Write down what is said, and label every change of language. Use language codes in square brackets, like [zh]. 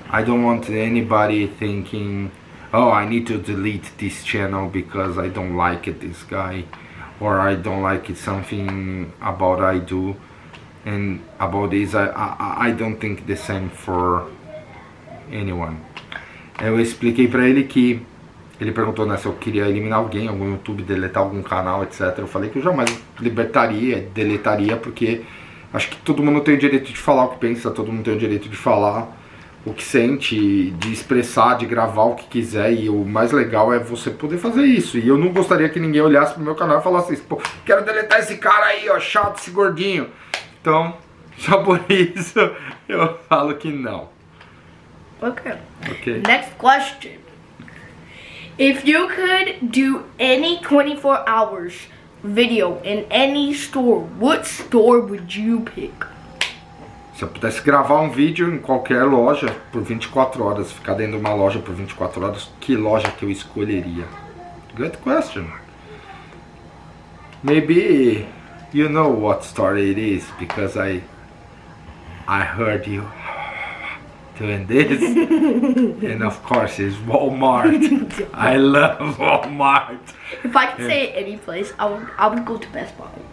[en] I don't want anybody thinking, oh, I need to delete this channel because I don't like it, this guy, or I don't like it, something about I do. And about this, I don't think the same for anyone. [pt] Eu expliquei pra ele que ele perguntou, né, se eu queria eliminar alguém, algum YouTube, deletar algum canal, etc. Eu falei que eu jamais libertaria, deletaria, porque acho que todo mundo tem o direito de falar o que pensa, todo mundo tem o direito de falar o que sente, de expressar, de gravar o que quiser, e o mais legal é você poder fazer isso. E eu não gostaria que ninguém olhasse pro meu canal e falasse assim, pô, quero deletar esse cara aí, ó, chato, esse gordinho. Então, só por isso eu falo que não. [en] Okay. Next question. If you could do any 24 hours video in any store, what store would you pick? [pt] Se eu pudesse gravar um vídeo em qualquer loja por 24 horas, ficar dentro de uma loja por 24 horas, que loja que eu escolheria? [en] Good question. Maybe you know what store it is because I heard you doing this. And of course it's Walmart. I love Walmart. If I could say it any place, I would go to Best Buy.